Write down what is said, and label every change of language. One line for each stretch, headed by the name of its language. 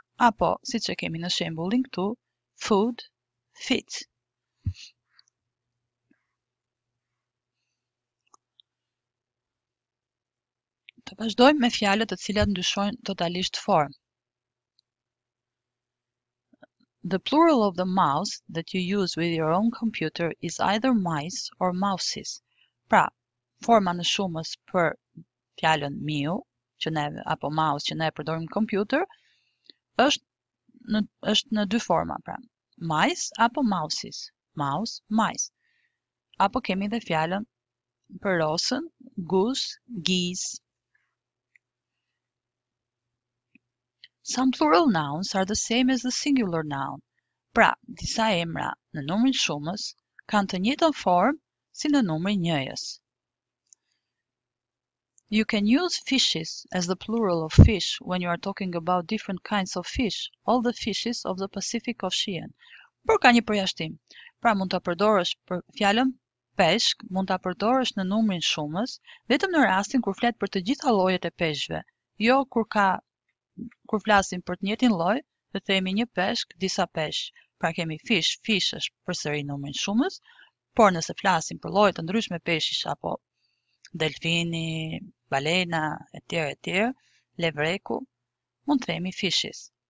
Albanian: Apo, si që kemi në shembullin këtu, Food, fit. Të vazhdojmë me fjalët të cilat ndryshojnë totalisht form.
English: The plural of the mouse that you use with your own computer is either mice or mouses.
Albanian: Pra, forma në shumës për fjalën miu, që ne, apo mouse që ne përdorim kompjuter, është në dy forma, pra. Mice apo mouses, mouse, mice. Apo kemi dhe fjallën për rosën, goose, geese.
English: Some plural nouns are the same as the singular noun.
Albanian: Pra, disa emra në numrin shumës kanë të njëjtën form si në numrin njëjës.
English: You can use fishes as the plural of fish when you are talking about different kinds of fish, all the fishes of the Pacific Ocean.
Albanian: Por ka një përjashtim. Pra mund të përdorësh për fjalën peshk, mund të përdorësh në numrin shumës, vetëm në rastin kur flet për të gjitha llojet e peshqve. Jo kur flasim për të njëjtin lloj, të themi një peshk, disa peshq. Pra kemi fish, fish është përsëri numrin shumës, por nëse flasim për lloje të ndryshme peshqish apo delfini, balena, etj., levreku, mund të themi fishes.